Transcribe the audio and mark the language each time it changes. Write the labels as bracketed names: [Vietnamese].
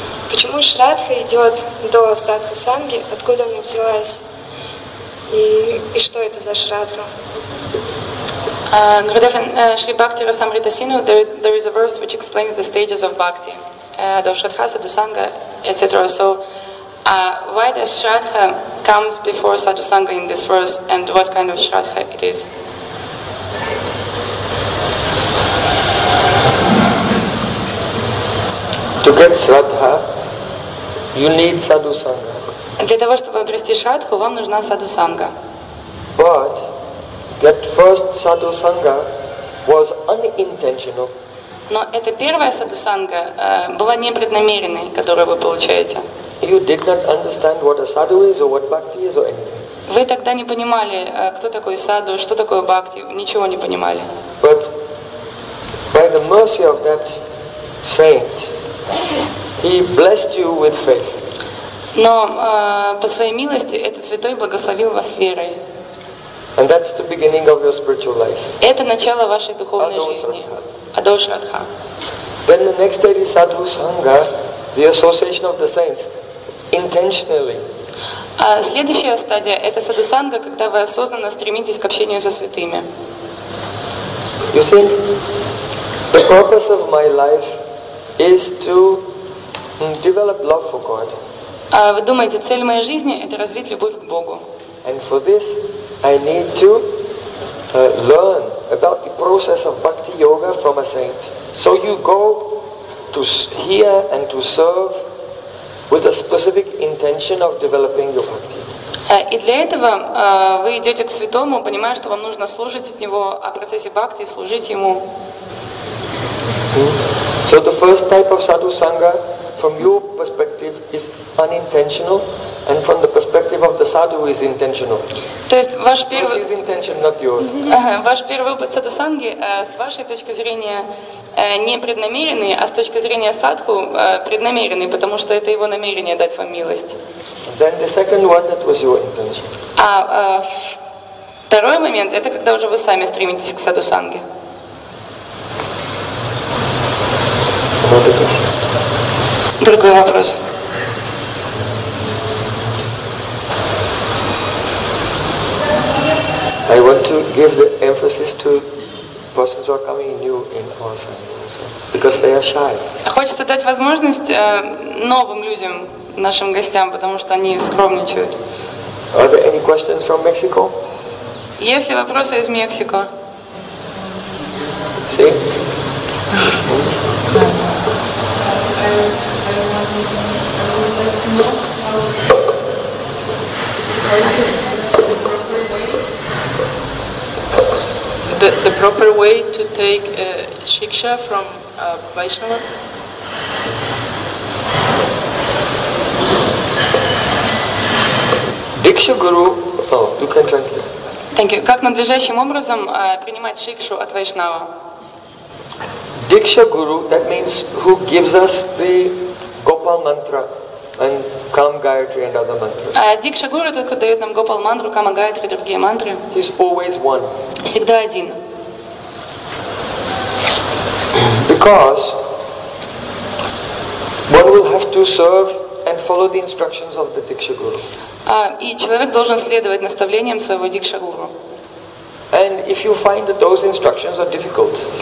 [Russian] Почему шрадха идет до садхусанги, откуда она взялась? И что это за шрадха? [English] Gurudev, in Shri Bhakti Rasamrita Sindhu, there is a verse which explains the stages of bhakti. Shraddha, Sadhu Sangha, etc. So, why does Shraddha come before Sadhu Sangha in this verse, and what kind of Shraddha it is? To get Shraddha, you need Sadhu Sangha. [Russian] Для того, чтобы обрести Shraddhu, вам нужна Sadhu Sangha. [English] But that first Sadhu Sangha was unintentional. [Russian] Но эта первая садусанга была непреднамеренной, которую вы получаете. [English] You did not understand what a sadhu is or what bhakti is or anything. [Russian] Вы тогда не понимали, кто такой саду, что такое бхакти, ничего не понимали. [English] But by the mercy of that saint, he blessed you with faith. [Russian] Но по своей милости этот святой благословил вас верой. [English] And that's the beginning of your spiritual life. [Russian] Это начало вашей духовной жизни. Адошрадха. [English] Then the next stage is Sadhu Sangha, the association of the saints, intentionally. [Russian] А следующая стадия это Sadhu Sangha, когда вы осознанно стремитесь к общению со святыми. [English] You see, the purpose of my life is to develop love for God. [Russian] А вы думаете, цель моей жизни это развить любовь к Богу? [English] And for this, I need to learn about the process of bhakti yoga from a saint. So you go to hear and to serve with a specific intention of developing your bhakti. [Russian] И для этого вы идете к святому, понимая, что вам нужно служить от него, о процессе бхакти служить ему. [English] So the first type of sadhu sangha, from your perspective, is unintentional. And from the perspective of the sadhu is intentional. [Russian] То есть ваш первый [English] is intention, not yours. [Russian] Ваш первый опыт садхусанги с вашей точки зрения не преднамеренный, а с точки зрения садху преднамеренный, потому что это его намерение дать вам милость. [English] Then the second one that was your intention. [Russian] А второй момент это когда уже вы сами стремитесь к садхусанге. Другой вопрос. [English] I want to give the emphasis to persons who are coming new in our sangha, because they are shy. [Russian] Хочется дать возможность новым людям, нашим гостям, потому что они скромничают. [English] Are there any questions from Mexico? [Russian] Есть ли вопросы из Мексико? [English] See? The proper way to take shiksha from Vaishnava? Diksha guru, you can translate. Thank you. [Russian] Как надлежащим образом принимать шикшу от Вайшнава? [English] Diksha guru, that means who gives us the Gopal mantra and Kama Gayatri and other mantras. [Russian] Diksha guru, тот, кто дает нам Gopal mantra, Kama Gayatri и другие мантры. [English] He's always one. [Russian] Всегда один. [English] Because one will have to serve and follow the instructions of the Diksha Guru. [Russian] И человек должен следовать наставлениям своего Дикша Гуру. [English] And if you find that those instructions are difficult,